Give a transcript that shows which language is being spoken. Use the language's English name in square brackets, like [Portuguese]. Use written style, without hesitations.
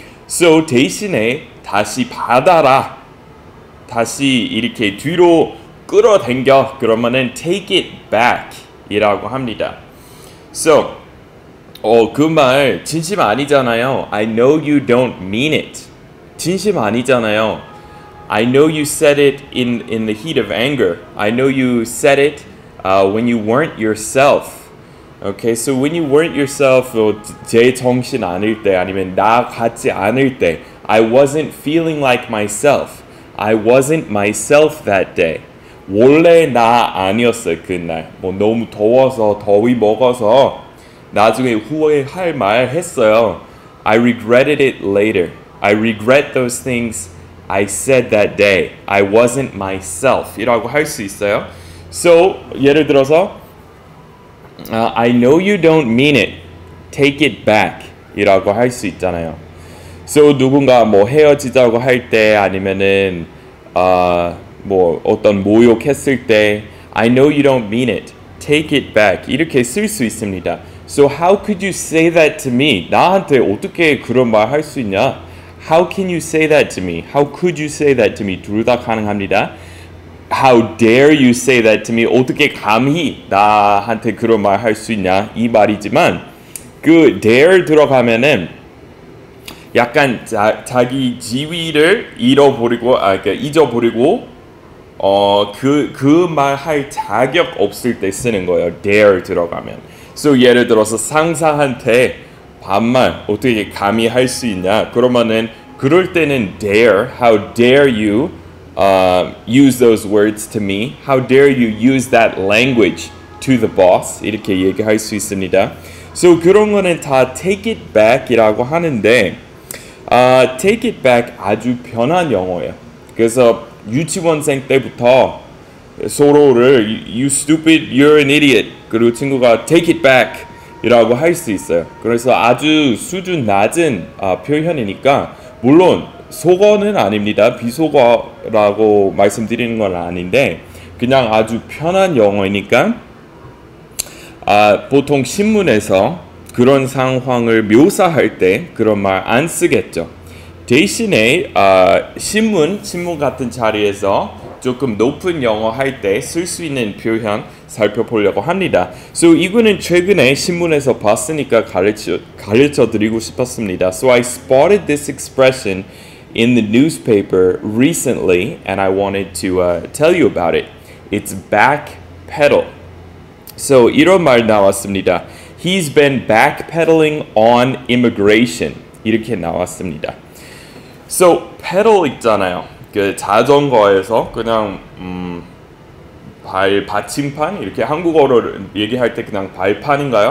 [Korean] So 대신에 다시 받아라. 다시 이렇게 뒤로 끌어당겨 그러면은 [English] take it back [Korean] 이라고 합니다. So 그 말 진심 아니잖아요. [English] I know you don't mean it. [Korean] 진심 아니잖아요. [English] I know you said it in the heat of anger. I know you said it when you weren't yourself. Okay, so when you weren't yourself, [Korean] 제 정신 아닐 때 아니면 나 같지 않을 때 [English] I wasn't feeling like myself. I wasn't myself that day. [Korean] 원래 나 아니었어요, 그날. 뭐 너무 더워서, 더위 먹어서 나중에 후회할 말 했어요. [English] I regretted it later. I regret those things I said that day. I wasn't myself. [Korean] 이라고 할 수 있어요. [English] So, [Korean] 예를 들어서 [English] I know you don't mean it. Take it back. [Korean] 이라고 할 수 있잖아요. [English] So [Korean] 누군가 뭐 헤어지자고 할 때 아니면은 뭐 어떤 모욕했을 때 [English] I know you don't mean it. Take it back. [Korean] 이렇게 쓸 수 있습니다. [English] So how could you say that to me? [Korean] 나한테 어떻게 그런 말 할 수 있냐? [English] How can you say that to me? How could you say that to me? [Korean] 둘 다 가능합니다. [English] How dare you say that to me? [Korean] 어떻게 감히 나한테 그런 말 할 수 있냐? 이 말이지만 그 dare 들어가면은 약간 자기 지위를 잃어버리고 그러니까 잊어버리고 그 말 할 자격 없을 때 쓰는 거예요. dare 들어가면. So 예를 들어서 상사한테 반말 어떻게 감히 할 수 있냐? 그러면은 그럴 때는 dare. [English] How dare you use those words to me? How dare you use that language to the boss? [Korean] 이렇게 얘기할 수 있습니다. So 그런 거는 다 [English] take it back [Korean] 이라고 하는데 take it back 아주 편한 영어예요. 그래서 유치원생 때부터 서로를 [English] you stupid, you're an idiot [Korean] 그리고 친구가 [English] take it back [Korean] 이라고 할 수 있어요. 그래서 아주 수준 낮은 표현이니까 물론 속어는 아닙니다. 비속어라고 말씀드리는 건 아닌데 그냥 아주 편한 영어이니까 보통 신문에서 그런 상황을 묘사할 때 그런 말 안 쓰겠죠. 대신에 신문 같은 자리에서 조금 높은 영어 할 때 쓸 수 있는 표현 살펴보려고 합니다. So 이거는 최근에 신문에서 봤으니까 가르쳐 드리고 싶었습니다. [English] So I spotted this expression in the newspaper recently and I wanted to tell you about it. It's backpedal. [Korean] So 이런 말 나왔습니다. [English] He's been backpedaling on immigration. [Korean] 이렇게 나왔습니다. So, pedal 있잖아요. 그 자전거에서 그냥 발 받침판 이렇게 한국어로 얘기할 때 그냥 발판인가요?